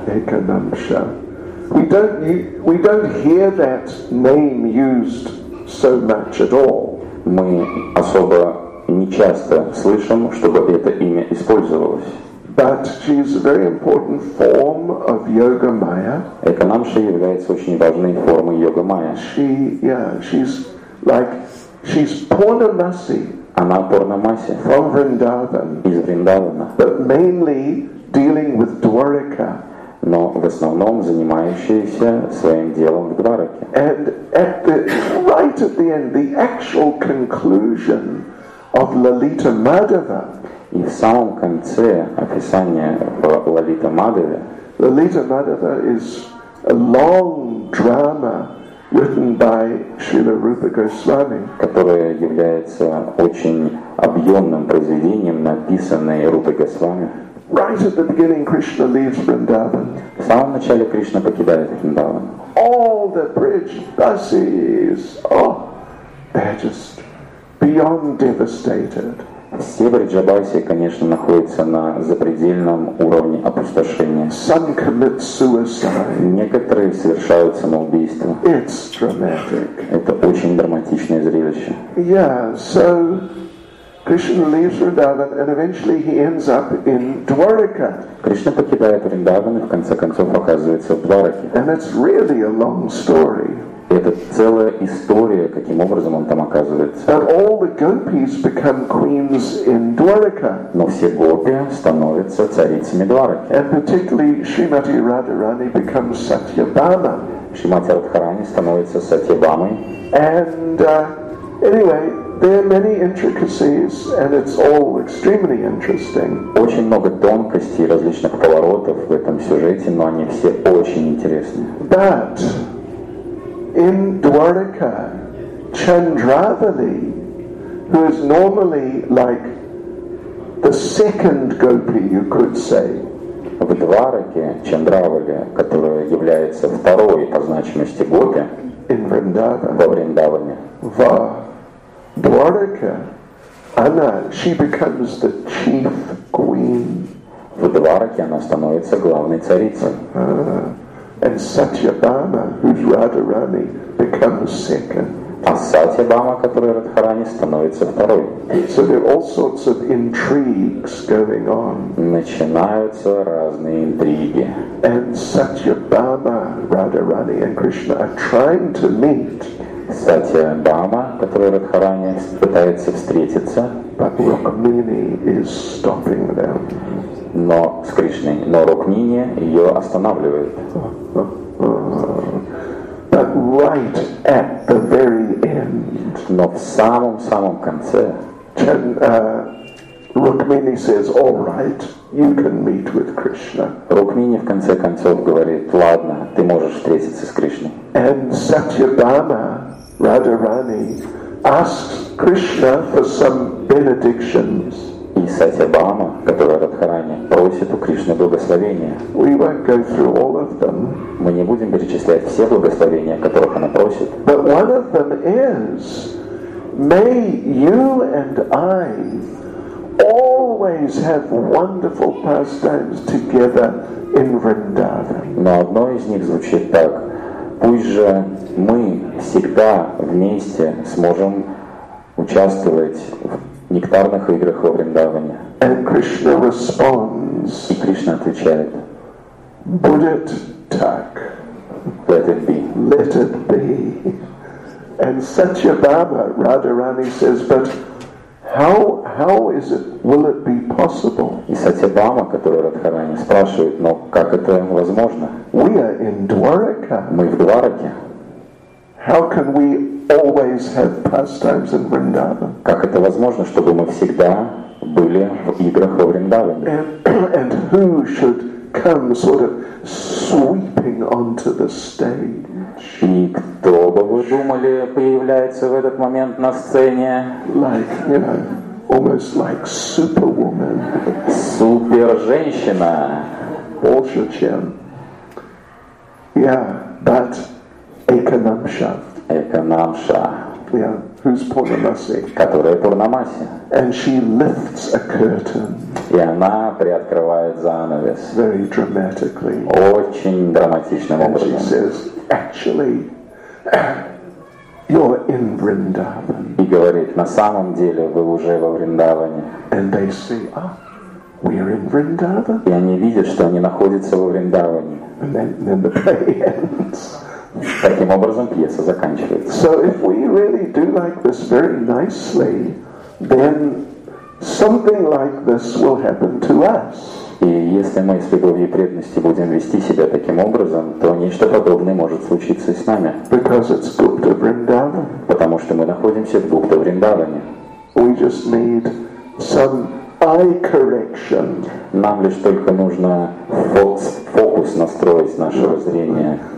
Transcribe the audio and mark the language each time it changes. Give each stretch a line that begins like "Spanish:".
Russian: Эканамша.
English: We don't hear that name used so much at all.
Russian: Мы особо не часто слышим, чтобы это имя использовалось.
English: But she is a very important form of yoga maya.
Russian: Эканамша является очень важной формой йога майя.
English: She's Purnamasi.
Russian: Она Пурнамаси.
English: From Vrindavan.
Russian: Из Вриндавана.
English: But mainly dealing with Dwarika.
Russian: Но в основном занимающаяся своим делом в Двараке.
English: And at the right at the end, the actual conclusion of Lalita Madhava.
Russian: И в самом конце описание Лалита Мадхавы.
English: Lalita Madhava is a long drama written by Srila Rupa Goswami,
Russian: которое является очень объемным произведением, написанное Рупой Госвами.
English: Right at the beginning, Krishna leaves Vrindavan.
Russian: В самом начале Кришна покидает Вриндаван.
English: All the bridge buses, oh, they're just beyond devastated.
Russian: Все Бриджабаси, конечно, находятся на запредельном уровне опустошения.
English: Some commit suicide.
Russian: Некоторые совершают самоубийство.
English: It's dramatic.
Russian: Это очень драматичное зрелище.
English: Yeah, so Krishna leaves Vrindavan and eventually he ends up in Dwarika.
Russian: Кришна покидает Вриндаван и в конце концов оказывается в Двараке.
English: And it's really a long story.
Russian: Это целая история, каким образом он там оказывается. Но все гопи становятся царицами Двараки.
English: Шримати Радхарани becomes Сатьябама.
Russian: Шримати Радхарани становится Сатьябамой.
English: And anyway, there are many intricacies, and it's all extremely interesting.
Russian: Очень много тонкостей, различных поворотов в этом сюжете, но они все очень интересны.
English: But in Dwarika, Chandravali, who is normally like the second gopi, you could say.
Russian: В Двараке Чандравали, которая является второй по значимости гопи,
English: in Vrindavan.
Russian: Во Вриндаване.
English: Va. Dwarika,
Russian: она,
English: she becomes the chief queen.
Russian: В Двараке она становится главной царицей.
English: And Satyabhama, who's Radharani, becomes second.
Russian: А Сатьябама, которая Радхарани, становится второй.
English: So there are all sorts of intrigues going on.
Russian: Начинаются разные интриги.
English: And Satyabhama, Radharani, and Krishna are trying to meet.
Russian: Сатьябама, которая Радхарани, пытается встретиться.
English: But Рукмини is stopping them.
Russian: Но с Кришной, но Рукмини ее останавливает.
English: But right at the very end.
Russian: Но в самом-самом конце.
English: Rukmini says, "All right, you can meet with Krishna."
Russian: Rukmini в конце концов говорит, "Ладно, ты можешь встретиться с Кришной."
English: And Satyabhama, Radharani, asks Krishna for some benedictions.
Russian: И Сатьябама, которая Радхарани, просит у Кришны благословения.
English: We won't go through all of them.
Russian: Мы не будем перечислять все благословения, которых она просит.
English: But one of them is, may you and I always have wonderful pastimes together in Vrindavan.
Russian: Но одно из них звучит так. Пусть же мы всегда вместе сможем участвовать в нектарных играх во Вриндаване.
English: And Krishna responds.
Russian: И Кришна отвечает.
English: Would it
Russian: так?
English: Let it be. Let it be. And Satyabhama, Radharani says, but how is it? Will it be possible?
Russian: И Сатьябама, которую Радхарани спрашивает, но как это возможно?
English: We are in Dwarika.
Russian: Мы в Двараке.
English: How can we always have pastimes in Vrindavan?
Russian: Как это возможно, чтобы мы всегда были в играх во Вриндаване?
English: And who should come sort of sweeping onto the stage?
Russian: И кто бы вы думали появляется в этот момент на сцене?
English: Like, you know, almost like Superwoman.
Russian: Супер женщина. Больше чем.
English: Yeah. But
Russian: Ekanamsha.
English: Ekanamsha. Yeah, who's Purnamasi?
Russian: Которая Пурнамаси.
English: And she lifts a curtain.
Russian: И она приоткрывает занавес.
English: Very dramatically.
Russian: Очень драматичным образом.
English: And she says, actually, you're in Vrindavan.
Russian: И говорит, на самом деле вы уже во Вриндаване.
English: And they see, we're in Vrindavan.
Russian: И они видят, что они находятся во Вриндаване.
English: And then the play ends.
Russian: Таким образом пьеса заканчивается.
English: So if we really do like this very nicely, then something like this will happen to us.
Russian: И если мы с любовью и преданностью будем вести себя таким образом, то нечто подобное может случиться с нами.
English: Because it's Gupta Vrindavan.
Russian: Потому что мы находимся в Гупта Вриндаване.
English: We just need some eye correction.
Russian: Нам лишь только нужно фокус настроить нашего зрения.